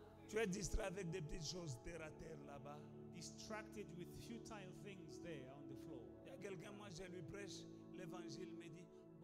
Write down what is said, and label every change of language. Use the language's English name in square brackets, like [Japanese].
[French] Tu es distrait avec des petites choses terre à terre là-bas. [English] Distracted with futile things there on the floor. [French] Il y a quelqu'un, moi je lui prêche l'évangile, me dit,